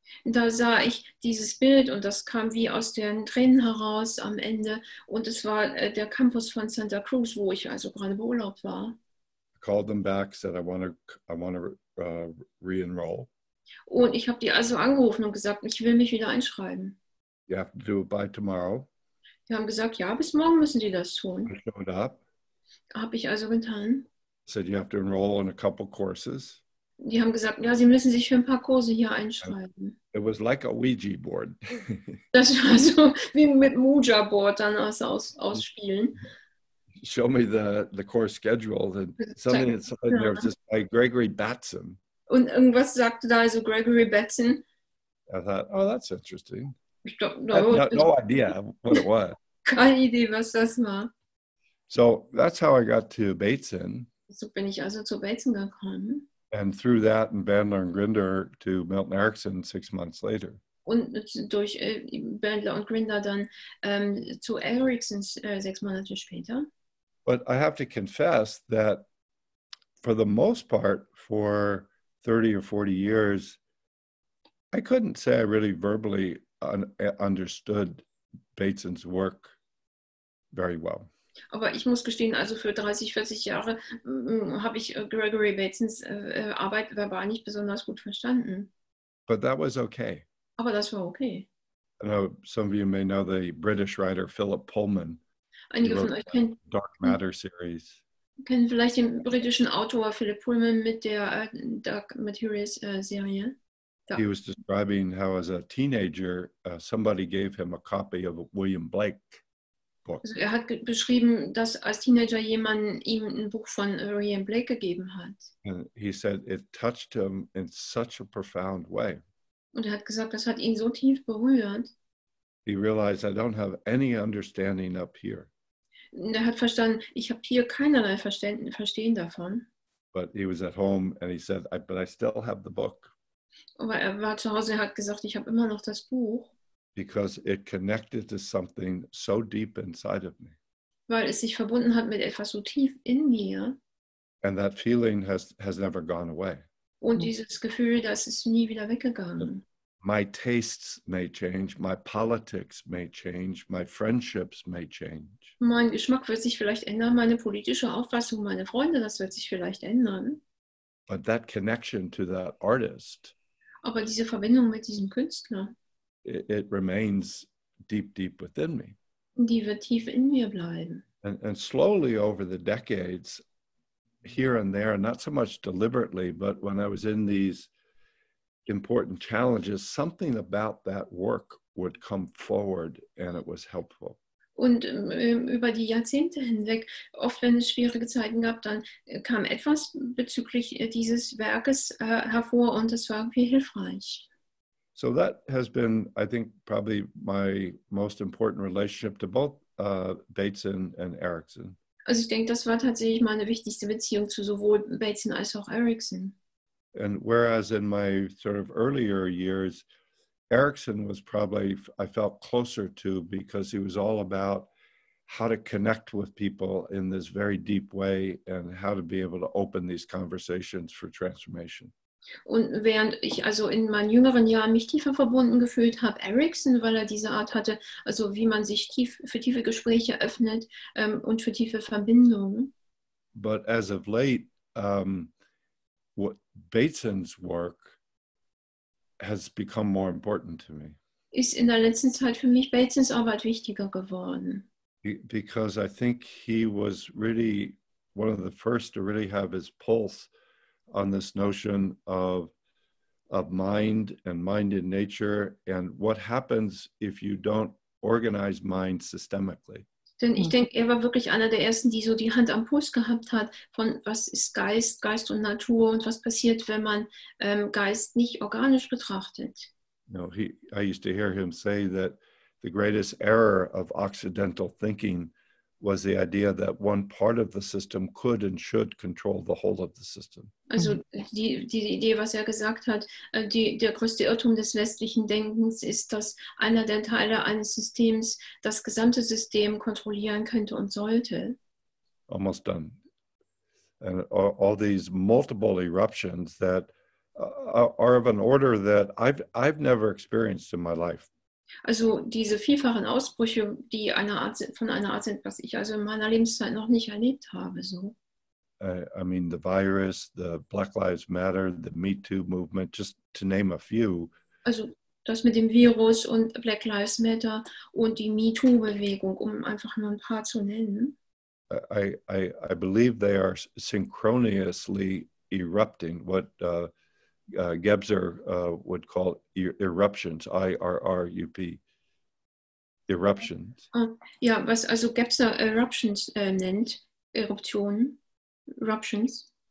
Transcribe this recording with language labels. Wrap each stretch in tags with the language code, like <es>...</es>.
<de>Da sah ich dieses Bild und das kam wie aus den Tränen heraus am Ende und es war der Campus von Santa Cruz, wo ich also gerade Urlaub war.</de> <en>I called them back, said I want to re-enroll.</en> <de>Und ich habe die also angerufen und gesagt, ich will mich wieder einschreiben.</de> <en>You have to do it by tomorrow.</en> <de>Die haben gesagt, ja, bis morgen müssen die das tun.</de> <en>I showed up.</en> <de>Habe ich also getan.</de> <en>Said you have to enroll in a couple courses.</en> <de>Die haben gesagt, ja, sie müssen sich für ein paar Kurse hier einschreiben.</de> <en>It was like a Ouija board.</en> <de>Das war so wie mit Ouija board dann ausspielen.</de> <en>Show me the course schedule. And something inside there was just by Gregory Batson.</en> <de>Und irgendwas sagte da also Gregory Batson.</de> <en>I thought, oh, that's interesting. No idea what it was.</en> <de>Keine Idee, was das war.</de> <en>So that's how I got to Bateson.</en> <de>So bin ich also zu Bateson gekommen.</de> <en>And through that and Bandler and Grinder to Milton Erickson 6 months later.</en> <de>Und durch Bandler und Grinder dann zu Erickson 6 Monate später.</de> <en>But I have to confess that for the most part, for 30 or 40 years, I couldn't say I really verbally understood Bateson's work very well.</en> <de>Aber ich muss gestehen, also für 30, 40 Jahre habe ich Gregory Batesons Arbeit verbal nicht besonders gut verstanden.</de> <en>But that was okay.</en> <de>Aber das war okay.</de> <en>I know some of you may know the British writer Philip Pullman.</en> <de>Einige von euch kennen</de> <en>Dark Matter series.</en> <de>Kennen vielleicht den britischen Autor Philip Pullman mit der Dark Materials Serie?</de> <en>Da. He was describing how as a teenager somebody gave him a copy of a William Blake book.</en> <de>Also er hat beschrieben, dass als Teenager jemand ihm ein Buch von William Blake gegeben hat.</de> <en>And he said it touched him in such a profound way.</en> <de>Und er hat gesagt, das hat ihn so tief berührt.</de> <en>He realized, I don't have any understanding up here.</en> <de>Und er hat verstanden, ich habe hier keinerlei Verstehen davon.</de> <en>But he was at home and he said, but I still have the book.</en> <de>Aber er war zu Hause, er hat gesagt, ich habe immer noch das Buch.</de> <en>Because it connected to something so deep inside of me.</en> <de>Weil es sich verbunden hat mit etwas so tief in mir.</de> <en>And that feeling has never gone away.</en> <de>Und dieses Gefühl, das ist nie wieder weggegangen.</de> <en>My tastes may change, my politics may change, my friendships may change.</en> <de>Mein Geschmack wird sich vielleicht ändern, meine politische Auffassung, meine Freunde, das wird sich vielleicht ändern.</de> <en>But that connection to that artist.</en> <de>Aber diese Verbindung mit diesem Künstler.</de> <en>It remains deep, deep within me.</en> <de>Die wird tief in mir bleiben.</de> <en>And slowly over the decades, here and there, not so much deliberately, but when I was in these important challenges, something about that work would come forward and it was helpful.</en> <de>Und über die Jahrzehnte hinweg, oft wenn es schwierige Zeiten gab, dann kam etwas bezüglich dieses Werkes hervor und es war irgendwie hilfreich.</de> <en>So that has been, I think, probably my most important relationship to both Bateson and Erickson.</en> <de>Also ich denke, das war tatsächlich meine wichtigste Beziehung zu sowohl Bateson als auch Erickson.</de> <en>And whereas in my sort of earlier years, Erickson was probably, I felt closer to, because he was all about how to connect with people in this very deep way and how to be able to open these conversations for transformation.</en> <de>Und während ich also in meinen jüngeren Jahren mich tiefer verbunden gefühlt habe, Erickson, weil er diese Art hatte, also wie man sich tief für tiefe Gespräche öffnet und für tiefe Verbindungen.</de> <en>But as of late, what Bateson's work has become more important to me.</en> <de>Ist in der letzten Zeit für mich Batesons Arbeit wichtiger geworden.</de> <en>Because I think he was really one of the first to really have his pulse on this notion of mind and mind in nature and what happens if you don't organize mind systemically.</en> <de>Denn ich denke, er war wirklich einer der Ersten, die so die Hand am Puls gehabt hat von was ist Geist, Geist und Natur und was passiert, wenn man Geist nicht organisch betrachtet.</de> <en>No, I used to hear him say that the greatest error of Occidental thinking was the idea that one part of the system could and should control the whole of the system.</en> <de>Also die Idee, was er gesagt hat, der größte Irrtum des westlichen Denkens ist, dass einer der Teile eines Systems das gesamte System kontrollieren könnte und sollte.</de> <en>Almost done. And all these multiple eruptions that are of an order that I've never experienced in my life.</en> <de>Also diese vielfachen Ausbrüche, die eine Art sind, von einer Art sind, was ich also in meiner Lebenszeit noch nicht erlebt habe.</de> <en>So. I mean the virus, the Black Lives Matter, the Me Too Movement, just to name a few.</en> <de>Also das mit dem Virus und Black Lives Matter und die Me Too Bewegung, um einfach nur ein paar zu nennen.</de> <en>I believe they are synchronously erupting what Gebser would call eruptions, I-R-R-U-P, eruptions.</en> <de>Ja, was also Gebser eruptions nennt, eruptions.</de>